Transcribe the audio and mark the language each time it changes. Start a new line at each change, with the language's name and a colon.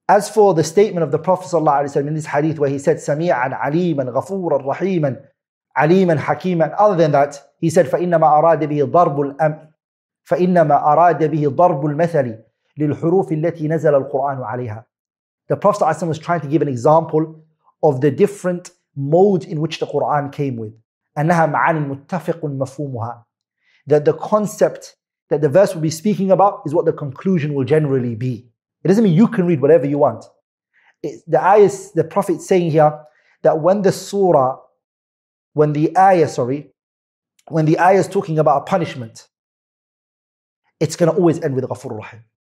English: As for the statement of the Prophet
Arabic: صلى الله عليه وسلم
English: in this hadith where he said
Arabic: سميعا عليما غفورا رحيما عليما حكيما,
English: other than that he said
Arabic: فإنما أراد به ضرب الأم فإنما أراد به ضرب المثل للحروف التي نزل القرآن عليها.
English: The Prophet
Arabic: صلى الله عليه وسلم
English: was trying to give an example of the different mode in which the Quran came with.
Arabic: أنها معاني متفق مفهومها.
English: That the concept that the verse will be speaking about is what the conclusion will generally be. It doesn't mean you can read whatever you want. The ayah, the Prophet saying here that when the surah, when the ayah is talking about a punishment, it's going to always end with Ghafur Rahim.